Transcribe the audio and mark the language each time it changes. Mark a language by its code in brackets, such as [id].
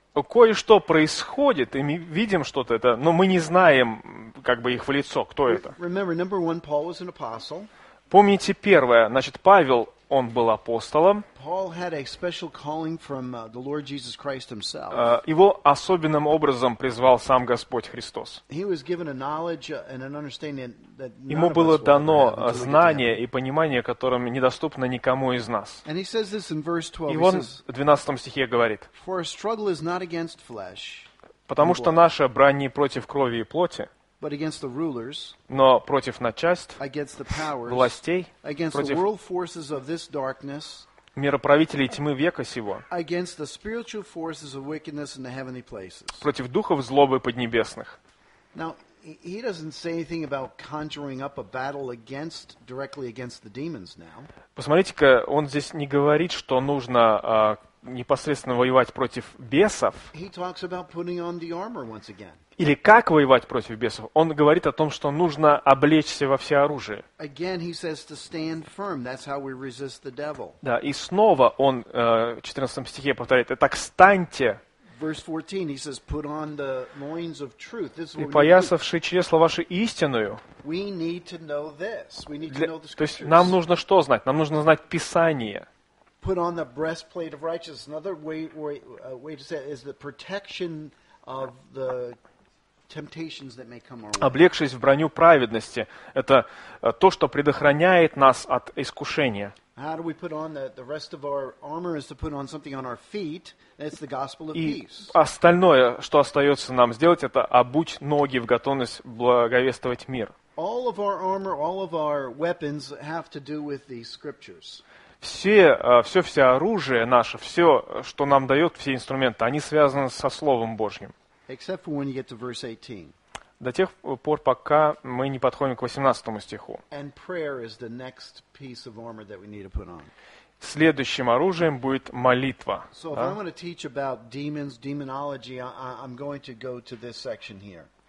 [ru] Кое-что происходит, и мы видим что-то, это, но мы не знаем как бы их в лицо, кто это. [en] Remember, number one, Paul was an apostle. [ru] Помните первое, значит, Павел, он был апостолом. [en] Paul had a special calling from the Lord Jesus Christ himself. [ru] Его особенным образом призвал сам Господь Христос. [en] He was given a knowledge and an understanding that [ru] ему было дано знание и понимание, которым недоступно никому из нас. [en] And he says this in verse 12. [ru] И он в 12 стихе говорит: [en] For a struggle is not against flesh. [ru] Потому что наша брань не против крови и плоти. [en] But against the rulers, [ru] но против начальств, [en] against the powers, [ru] властей, [en] against [ru] против [en] the world forces of this darkness, [ru] мироправителей тьмы века сего, [en] against the spiritual forces of wickedness in the heavenly places, [ru] против духов злобы поднебесных. [en] Now, he doesn't say anything about conjuring up a battle against, directly against the demons now. [ru] Посмотрите-ка, он здесь не говорит, что нужно непосредственно воевать против бесов. [en] He talks about putting on the armor once again. [ru] Или как воевать против бесов? Он говорит о том, что нужно облечься во всеоружие. [en] Again, he says to stand firm. That's how we resist the devil. [ru] Да, и снова он в 14 стихе повторяет: «Итак, станьте». [en] Verse 14, he says, put on the loins of truth. This is what we need. [ru] Припоясавший чресло ваше истинную. [en] We need to know this. We need to know the scriptures. [ru] То есть нам нужно что знать? Нам нужно знать Писание. [en] Put on the breastplate of righteousness. Another way to say it is the protection of the temptations that may come our way. [ru] Облегшись в броню праведности, это то, что предохраняет нас от искушения. [en] How do we put on the rest of our armor is to put on something on our feet, and it's the gospel of peace. [ru] И остальное, что остается нам сделать, это обуть ноги в готовность благовествовать мир. [en] All of our armor, all of our weapons have to do with the scriptures. [ru] Все оружие наше, все, что нам дает, все инструменты, они связаны со Словом Божьим. [en] Except for when you get to verse 18. [ru] До тех пор, пока мы не подходим к 18 стиху. [en] And prayer is the next piece of armor that we need to put on. [ru] Следующим оружием будет молитва. [en] So if I'm going to teach about demons, demonology, I'm going to go to this section here.